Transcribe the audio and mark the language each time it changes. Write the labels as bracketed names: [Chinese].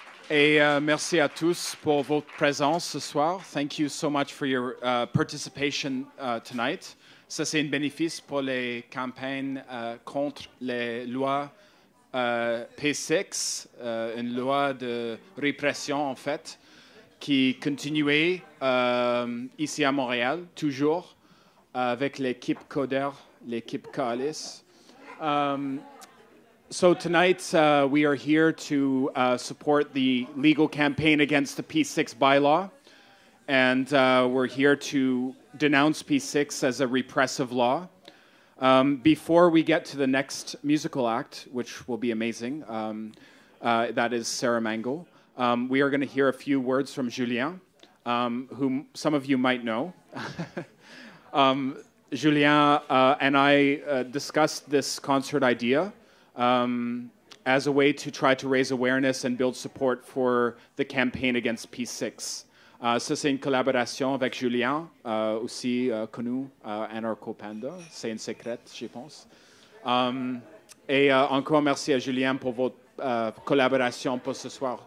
[French] Et merci à tous pour votre présence ce soir. [English] Thank you so much for your participation tonight. [French] Ça, c'est un bénéfice pour les campagnes contre les lois P6, une loi de répression, en fait, qui continuait ici à Montréal, toujours, avec l'équipe Coder, l'équipe Coalice. [English] So tonight, we are here to support the legal campaign against the P6 bylaw. And we're here to denounce P6 as a repressive law. Before we get to the next musical act, which will be amazing, that is Sarah Mangle, we are going to hear a few words from Julien, whom some of you might know. Julien and I discussed this concert idea as a way to try to raise awareness and build support for the campaign against P6. [French] Ça, c'est une collaboration avec Julien, aussi connu, Anarcho-Panda. C'est une secrète, je pense. Et encore merci à Julien pour votre collaboration pour ce soir.